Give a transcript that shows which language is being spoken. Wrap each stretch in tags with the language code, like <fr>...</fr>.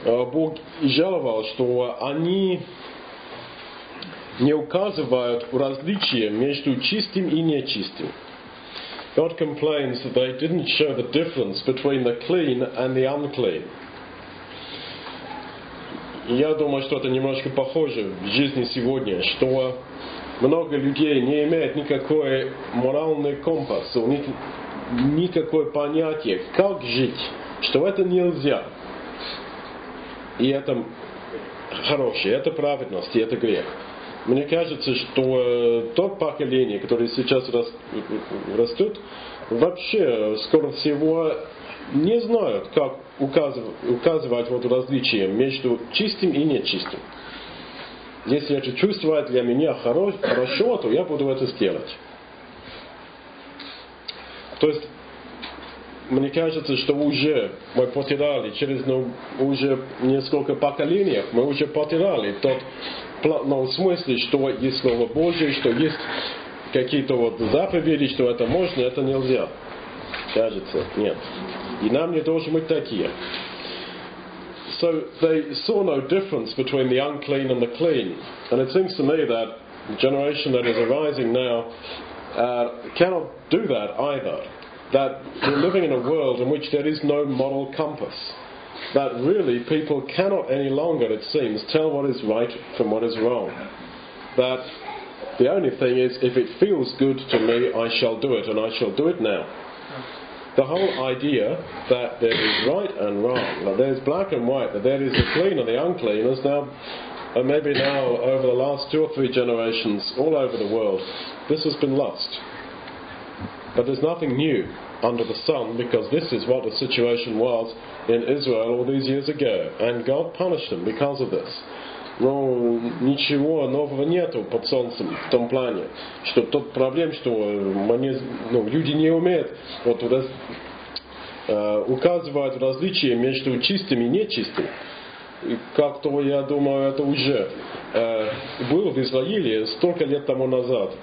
<ru>Бог жаловал, что они не указывают различия между чистым и нечистым.</ru> <en>God complains that they didn't show the difference between the clean and the unclean.</en> <ru>Я думаю, что это немножко похоже в жизни сегодня, что много людей не имеют никакой моральный компас, никакое понятие, как жить, что это нельзя. И это хорошее, это праведность, и это грех. Мне кажется, что то поколение, которое сейчас растет, вообще, скоро всего, не знают, как указывать вот различие между чистым и нечистым. Если это чувствует для меня хорошо, то я буду это сделать. То есть, мне кажется, что уже мы потеряли через уже несколько поколений, мы уже потеряли тот смысл, что есть Слово Божие, что есть какие-то вот заповеди, что это можно, это нельзя. Кажется, нет. И нам не должны быть такие.</ru> <en>So they saw no difference between the unclean and the clean. And it seems to me that the generation that is arising now cannot do that either. That we're living in a world in which there is no moral compass. That really people cannot any longer, it seems, tell what is right from what is wrong. That the only thing is, if it feels good to me, I shall do it, and I shall do it now. The whole idea that there is right and wrong, that there is black and white, that there is the clean and the unclean, is now, and maybe now over the last two or three generations all over the world, this has been lost. But there's nothing new under the sun, because this is what the situation was in Israel all these years ago, and God punished them because of this.</en> <ru>Но ничего нового нету под солнцем в том плане, что тот проблем, что люди не умеют указывать различия между чистым и нечистым. И как-то, я думаю, это уже было в Израиле столько лет тому назад.</ru>